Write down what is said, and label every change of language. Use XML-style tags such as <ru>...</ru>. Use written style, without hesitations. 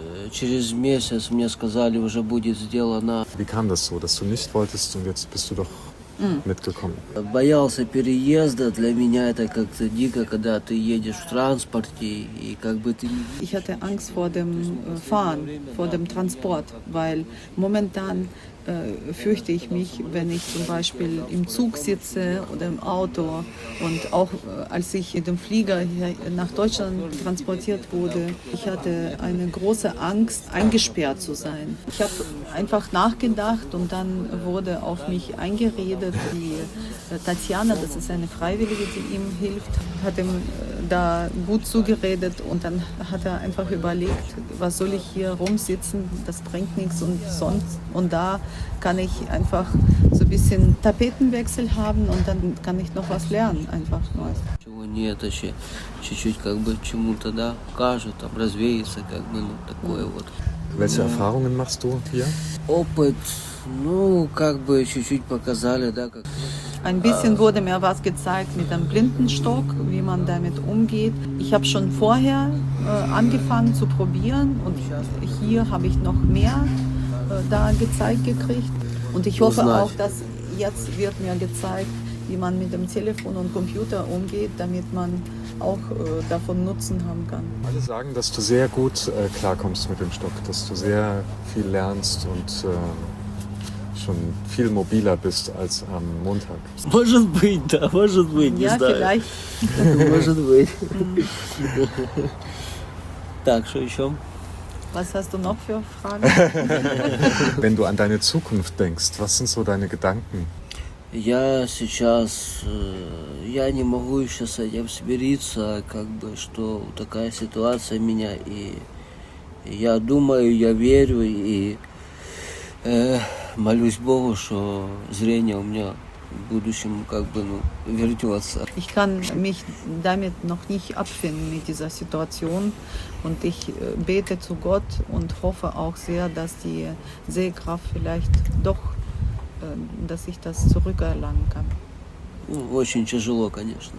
<ru>через месяц мне сказали, уже будет сделано.</ru> <de>Wie kam das so, dass du nicht wolltest und jetzt bist du doch mitgekommen?</de> <ru>Боялся переезда. Для меня это как-то дико, когда ты едешь в транспорте и как бы ты...</ru> <de>Ich hatte Angst vor dem Fahren, vor dem Transport, weil momentan fürchte ich mich, wenn ich zum Beispiel im Zug sitze oder im Auto und auch als ich mit dem Flieger nach Deutschland transportiert wurde, ich hatte eine große Angst, eingesperrt zu sein. Ich habe einfach nachgedacht und dann wurde auf mich eingeredet. gerettet. Die Tatjana, das ist eine Freiwillige, die ihm hilft, hat ihm da gut zugeredet und dann hat er einfach überlegt, was soll ich hier rumsitzen, das bringt nichts und sonst. Und da kann ich einfach so ein bisschen Tapetenwechsel haben und dann kann ich noch was lernen, einfach neu.</de> <ru>Нет, вообще чуть-чуть как бы чему-то да кажут, там развеется как бы ну такое вот.</ru> <de>Welche Erfahrungen machst du hier?</de> <ru>Опыт, ну как бы чуть-чуть показали, да как.</ru> <de>Ein bisschen wurde mir was gezeigt mit dem Blindenstock, wie man damit umgeht. Ich habe schon vorher angefangen zu probieren und hier habe ich noch mehr da gezeigt gekriegt und ich hoffe auch, dass jetzt wird mir gezeigt, wie man mit dem Telefon und Computer umgeht, damit man auch davon Nutzen haben kann. Alle sagen, dass du sehr gut klarkommst mit dem Stock, dass du sehr viel lernst und schon viel mobiler bist als am Montag.</de> <ru>Может быть, да, может быть, не знаю.</ru> <de>Ja, vielleicht.</de> <ru>Может быть. Так, что еще?</ru> <de>Was hast du noch für Fragen? Wenn du an deine Zukunft denkst, was sind so deine Gedanken?</de> <ru>Я сейчас, я не могу еще с этим смириться, как бы, что такая ситуация меня, и я думаю, я верю, и молюсь Богу, что зрение у меня в будущем, как бы, ну, вернется.</ru> <de>Ich kann mich damit noch nicht abfinden mit dieser Situation, und ich bete zu Gott und hoffe auch sehr, dass die Sehkraft vielleicht doch dass ich das zurückerlangen kann.</de> <ru>Очень тяжело, конечно.</ru>